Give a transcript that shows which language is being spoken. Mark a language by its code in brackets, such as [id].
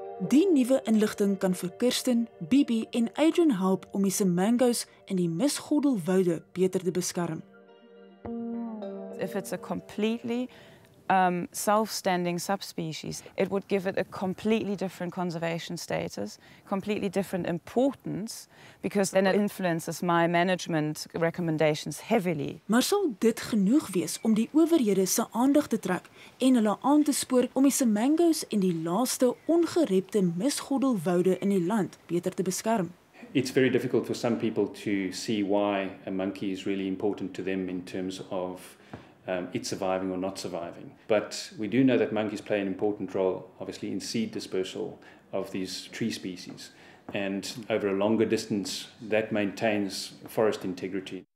[af] Die nuwe inligting kan vir Kirsten, Bibi en Adrian help om die semangos in die misgoddelwoude beter te beskerm. [en] If it's a completely self-standing subspecies, it would give it a completely different conservation status, completely different importance, because then it influences my management recommendations heavily. [af] Maar sal dit genoeg wees om die owerhede se aandag te trek en hulle aan te spoor om die semangos en die laaste ongerepte misgoddelwoude in die land beter te beskerm? [en] It's very difficult for some people to see why a monkey is really important to them in terms of it's surviving or not surviving. But we do know that monkeys play an important role, obviously, in seed dispersal of these tree species. And over a longer distance, that maintains forest integrity.